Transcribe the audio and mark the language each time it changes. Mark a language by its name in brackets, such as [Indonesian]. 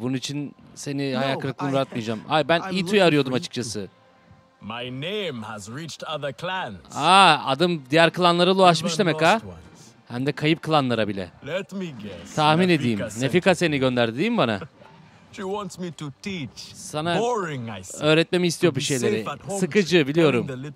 [Turkish] Bunun için seni hayal kırıklığına uğratmayacağım. Hayır, ben Itu'yu arıyordum açıkçası. [English] My name has reached other clans. [Turkish] Aa, adım diğer klanlara ulaşmış demek ha. Hem de kayıp klanlara bile. [English] Let me guess. [Turkish] Tahmin Nefika edeyim. Nefika seni gönderdi değil mi bana? [English] She wants me to teach. [Turkish] Sana öğretmemi istiyor bir şeyleri. Sıkıcı biliyorum.